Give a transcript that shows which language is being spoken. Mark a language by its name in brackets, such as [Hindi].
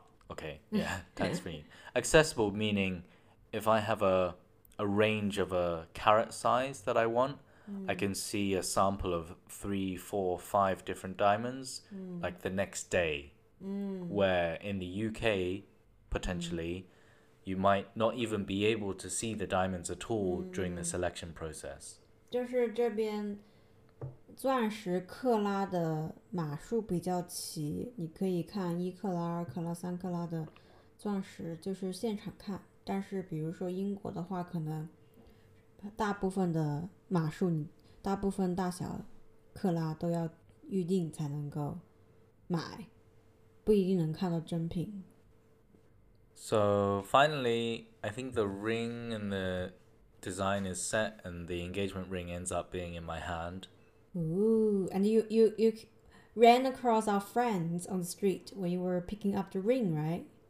[English] Okay, yeah, thanks for me. Accessible meaning if I have a range of a carat size that I want, I can see a sample of 3, 4, 5 different diamonds like the next day. Where in the UK, potentially, you might not even be able to see the diamonds at all during the selection process. [Chinese] 就是这边钻石克拉的码数比较齐，你可以看一克拉、二克拉、三克拉的钻石，就是现场看。但是比如说英国的话，可能大部分的码数，大部分大小克拉都要预定才能够买，不一定能看到真品。 [English] So finally, I think the ring and the design is set, and the engagement ring ends up being in my hand. Ooh, and you ran across our friends on the street when you were picking up the ring, right?